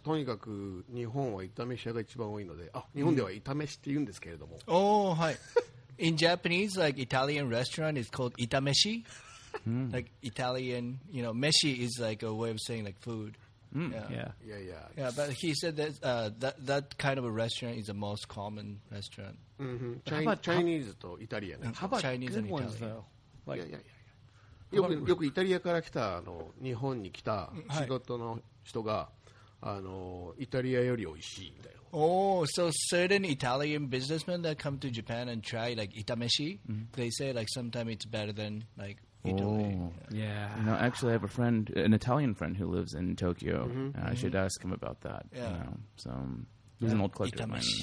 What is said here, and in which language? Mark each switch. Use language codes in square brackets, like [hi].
[ja] とにかく 日本は炒め飯屋が一番多いので、あ、日本では炒め飯って言うんですけれども。 [en] Oh, hi. In Japanese, like Italian restaurant is called itameshi. Like Italian, you know, meshi is like a way of saying like food. Yeah. But he said that that kind of a restaurant is the most common restaurant. Mm-hmm. Chinese と Italian. How about Chinese good and Italian ones though? [ja] よくイタリアから来た日本に来た仕事の人がイタリアより美味しいみたいな。 [en] Oh, so certain Italian businessmen that come to Japan and try like itameshi, they say like sometimes it's better than like Italy. Yeah. No, actually, I have a friend, an Italian friend who lives in Tokyo. Mm-hmm. I should ask him about that. Yeah. You know, so he's an old collector of mine.